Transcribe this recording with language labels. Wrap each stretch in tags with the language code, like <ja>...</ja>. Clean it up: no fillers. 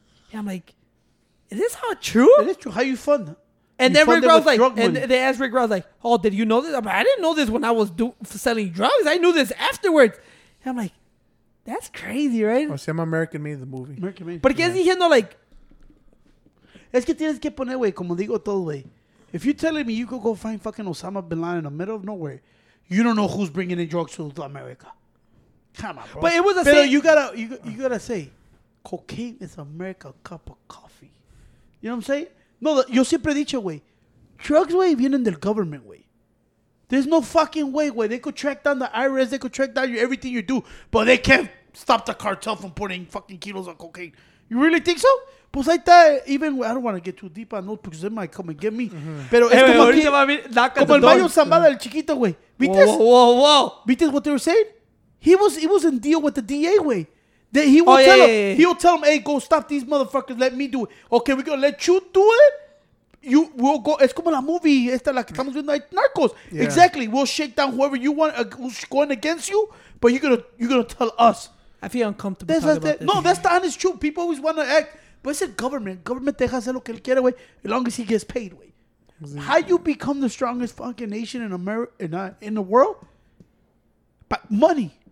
<en>Yeah, I'm like, is this all true? It is true. How you fund? And then Rick Ross like, and they asked Rick Ross like, oh, did you know this? I'm like, I didn't know this when I was selling drugs. I knew this afterwards. And I'm like, that's crazy, right? Oh, see, I'm American made the movie. American made. But guess he had no like,</en> <es>Es que tienes que poner, güey, como digo todo, güey.</es> <en>If you're telling me you could go find fucking Osama Bin Laden in the middle of nowhere, you don't know who's bringing in drugs to America. Come on, bro. But it was a thing. You gotta say, cocaine is America, a cup of coffee. You know what I'm saying?</en> <es>No, yo siempre he dicho, güey, drugs, güey, vienen del government, güey.</es> <en>There's no fucking way, güey. They could track down the IRS. They could track down everything you do. But they can't stop the cartel from putting fucking kilos of cocaine. You really think so? Pues ahí está, even, I don't want to get too deep on those because they might come and get me. Mm-hmm.</en> <es>Pero es como, que, como el Mayo Zambada, el chiquito, güey. ¿Viste? Whoa.</es> <en>¿Viste what they were saying? He was in deal with the DA, güey. He'll tell him, hey, go stop these motherfuckers. Let me do it. Okay, we're going to let you do it. You will go.</en> <es>Es como la movie esta la que estamos viendo, like Narcos.</es> <en>Yeah. Exactly. We'll shake down whoever you want who's going against you, but you're gonna tell us. I feel uncomfortable talking about this. No, that's the honest truth. People always want to act. But it's a government. Government deja hacer lo que él quiere, güey, as long as he gets paid, güey. Exactly. How you become the strongest fucking nation in America, in the world? But money.</en>